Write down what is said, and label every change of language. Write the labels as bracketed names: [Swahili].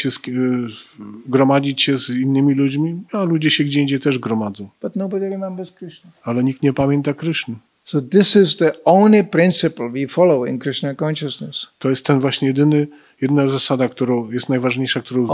[Polish] zbierać się, gromadzić się z innymi ludźmi, a ludzie się gdzie indziej też gromadzą. [English] But nobody remembers Krishna. [Polish] Ale nikt nie pamięta Krishna. [English] So this is the only principle we follow in Krishna consciousness. [Polish] To jest ten właśnie jedna zasada, którą jest najważniejsza, którą